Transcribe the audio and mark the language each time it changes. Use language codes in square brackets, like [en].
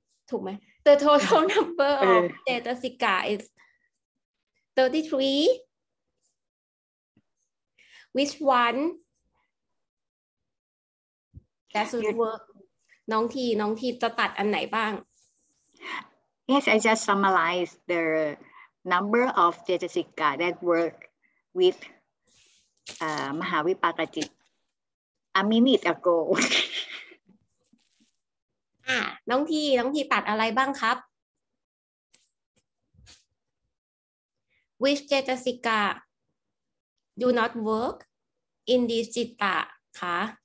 [th] ถูกไหม [en] the total number of เจตสิกา is 33 which one that should work [th] น้องทีจะตัดอันไหนบ้าง [en] Yes, I just summarized the number of Jetasika that work with Mahavipakajit a minute ago. [th] น้องทีตัดอะไรบ้างครับ [en] Which Jetasika do not work in this Jitta, คะ